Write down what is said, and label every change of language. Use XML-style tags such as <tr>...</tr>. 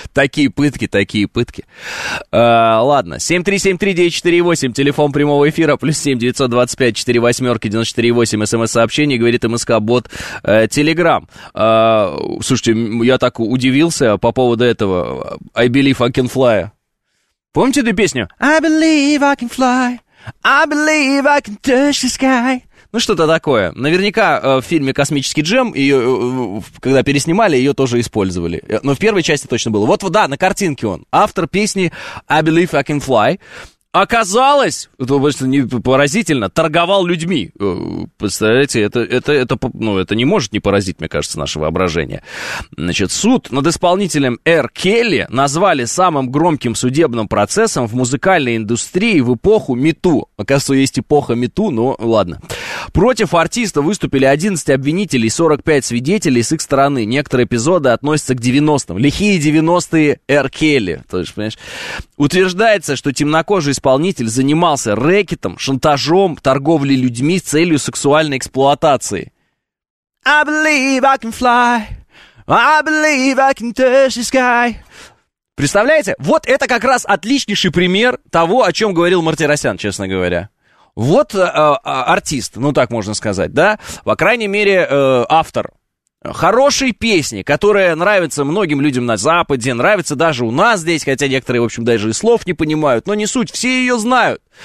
<ru>Такие пытки, такие пытки. Ладно, 7373948, телефон прямого эфира, плюс 7-925-48-94-8, смс-сообщение, говорит МСК-бот Телеграм. Слушайте, я так удивился по поводу этого «I believe I can fly». Помните эту песню?</ru> <en>I believe I can fly, I believe I can touch the sky.</en> <ru>Ну, что-то такое. Наверняка в фильме «Космический джем», ее, когда переснимали, ее тоже использовали. Но в первой части точно было. Вот, да, на картинке он. Автор песни I believe I can fly. Оказалось, это просто поразительно, торговал людьми. Представляете, это не может не поразить, мне кажется, наше воображение. Значит, суд над исполнителем Р. Келли назвали самым громким судебным процессом в музыкальной индустрии в эпоху Мету. Оказывается, есть эпоха Мету, но ладно. Против артиста выступили 11 обвинителей, 45 свидетелей с их стороны. Некоторые эпизоды относятся к 90-м. Лихие 90-е Р. Келли. То есть, понимаешь? Утверждается, что темнокожий исполнитель занимался рэкетом, шантажом, торговлей людьми с целью сексуальной эксплуатации.</ru> <en>I believe I can fly, I believe I can touch the sky.</en> <ru>Представляете? Вот это как раз отличнейший пример того, о чем говорил Мартиросян, честно говоря. Вот артист, ну так можно сказать, да? По крайней мере, автор хорошей песни, которая нравится многим людям на Западе, нравится даже у нас здесь, хотя некоторые, в общем, даже и слов не понимают, но не суть, все ее знают.</ru>